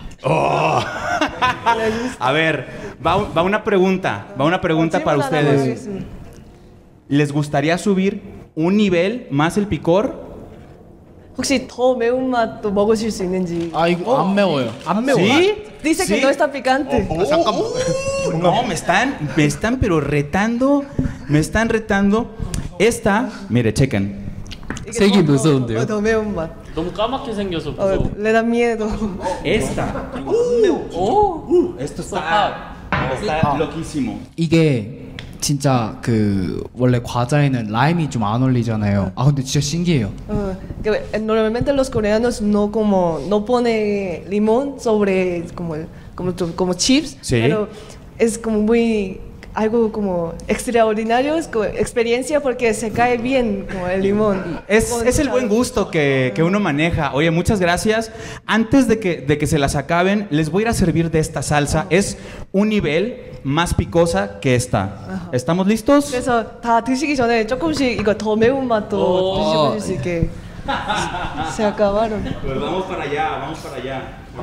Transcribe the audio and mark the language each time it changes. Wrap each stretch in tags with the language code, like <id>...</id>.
<es>A ver, va una pregunta para ustedes. ¿Les gustaría subir un nivel más el picor?</es> <ko>혹시 더 매운 맛도 먹으실 수 있는지. 아 이거 안 매워요. 안 매워. 요</ko> <es>Dice que no está picante.</es> <ko>잠깐만.</ko> <es>No, me están pero retando. me están retando. Esta, mire, chequen. Seguí, no sé dónde. Le da miedo. Esta. Esto está. Está loquísimo. ¿Y qué?</es> <ko>진짜 그 원래 과자에는 라임이 좀 안 어울리잖아요. 아 근데 진짜 신기해요.</ko> <es>어, normalmente los coreanos no como no pone limón sobre como como como chips, sí. Pero es como muy algo como extraordinario, es como experiencia porque se cae bien como el limón. Es el buen gusto que uno maneja. Oye, muchas gracias. Antes de que se las acaben, les voy a ir a servir de esta salsa. Es un nivel más picosa que esta. ¿Estamos listos?</es> <ko>그래서 다 드시기 전에 조금씩 이거 더 매운 맛도 드시고 싶을 게.</ko> <es>Se acabaron. Pues vamos para allá, vamos para allá.</es>